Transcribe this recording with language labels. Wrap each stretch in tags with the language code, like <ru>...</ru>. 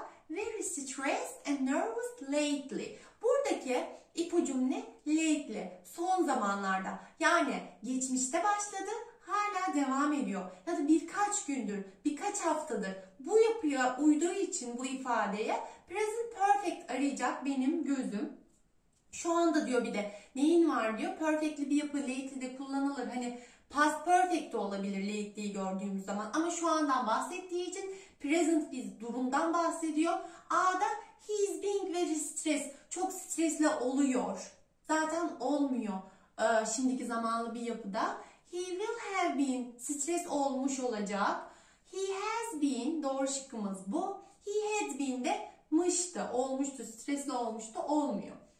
<en>Very stressed and nervous lately.</en> <tr>Buradaki ipucum ne? Lately. Son zamanlarda. Yani geçmişte başladı, hala devam ediyor. Ya da birkaç gündür, birkaç haftadır bu yapıya uyduğu için bu ifadeye present perfect arayacak benim gözüm. Şu anda diyor bir de neyin var diyor. Perfectli bir yapı lately de kullanılır. Hani past perfect de olabilir lately'yi gördüğümüz zaman. Ama şu andan bahsettiği için present bir durumdan bahsediyor.</tr> <en>A'da he is being very stressed.</en> <tr>Çok stresli oluyor. Zaten olmuyor şimdiki zamanlı bir yapıda.</tr> <en>He will have been stressed</en> <tr>olmuş olacak.</tr> <en>He has been,</en> <tr>doğru şıkkımız bu.</tr> <en>He had been</en> <tr>de mıştı, olmuştu, stresli olmuştu, olmuyor.</tr>